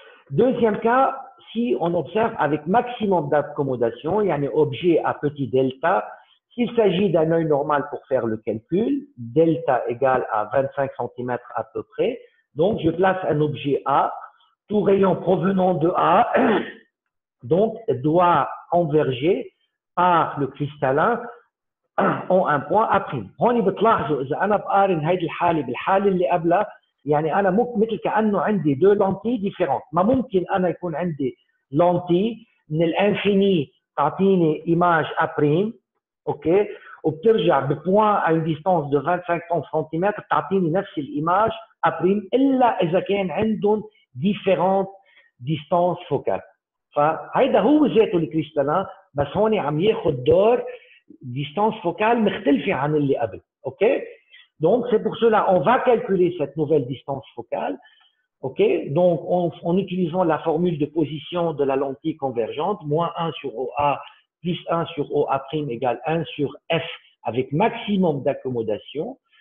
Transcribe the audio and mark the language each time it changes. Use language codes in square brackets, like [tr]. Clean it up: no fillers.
[fr] Deuxième cas, si on observe avec maximum d'accommodation, il y a un objet à petit delta, s'il s'agit d'un œil normal pour faire le calcul, delta égale à 25 cm à peu près, donc je place un objet A tout rayon provenant de A donc doit converger par le cristallin en un point A prime. [ar] هون بتلاحظوا إذا أنا بقارن هاي الحالة بالحالة اللي قبلها يعني أنا مثل كأنه عندي دو لانتي ديفيرنت. ما ممكن أنا يكون عندي لانتي من الانفيني تعطيني إيماج A prime أوكي وبترجع ببوان [fr] à une distance de [ar] 25 سنتيمتر تعطيني نفس الإيماج A prime إلا إذا كان عندهم ديفيرنت ديستانس فوكال. فهيدا هو ذاته الكريستالان بس هون عم ياخذ دور distance focale مختلفة عن اللي قبل. [fr] OK, donc c'est pour cela on va calculer cette nouvelle distance focale. OK, donc en utilisant la formule de position de la lentille convergente moins 1 sur OA plus 1 sur OA prime égale 1 sur F avec maximum d'accommodation.